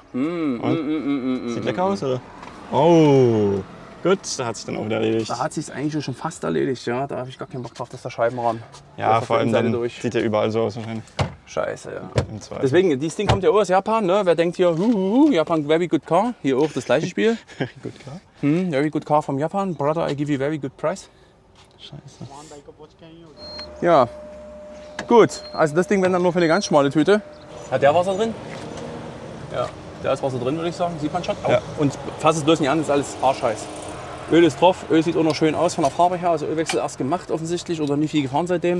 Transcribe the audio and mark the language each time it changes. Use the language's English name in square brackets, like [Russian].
[German] Sieht lecker aus, oder? Oh, gut. Da hat sich dann auch wieder erledigt. Da hat sich eigentlich schon fast erledigt, ja. Da habe ich gar keinen Bock drauf, dass der Scheibenrahmen. Ja, vor allem dann durch. Sieht ja überall so aus, wahrscheinlich. Scheiße, ja. Deswegen, dieses Ding kommt ja auch aus Japan, ne? Wer denkt hier, Japan, [English] very good car. [German] Hier auch das gleiche Spiel. [English] Very good car. Very good car from Japan. Brother, I give you very good price. [German] Scheiße. Ja. Gut. Also das Ding wäre dann nur für eine ganz schmale Tüte. Hat der Wasser drin? Ja. Da ist Wasser drin, würde ich sagen. Sieht man schon. Ja. Und fass es bloß nicht an, ist alles Arschheiß. Öl ist drauf. Öl sieht auch noch schön aus von der Farbe her. Also Ölwechsel erst gemacht offensichtlich oder nicht viel gefahren seitdem.